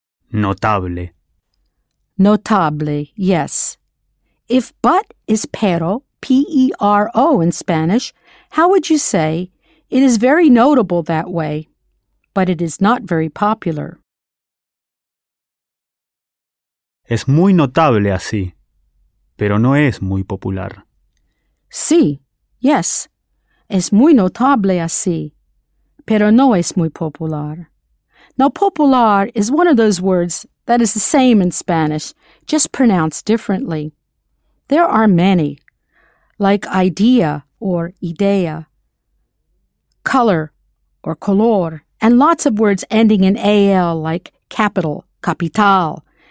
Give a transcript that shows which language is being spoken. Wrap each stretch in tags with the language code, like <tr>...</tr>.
<en>Notable. Notable, yes. If but is pero, P-E-R-O in Spanish, how would you say, it is very notable that way, but it is not very popular?</en> <es>Es muy notable así, pero no es muy popular. Sí, yes, es muy notable así, pero no es muy popular.</es> <en>Now, popular is one of those words that is the same in Spanish, just pronounced differently. There are many, like idea or idea, color or color, and lots of words ending in AL like capital, capital.</en>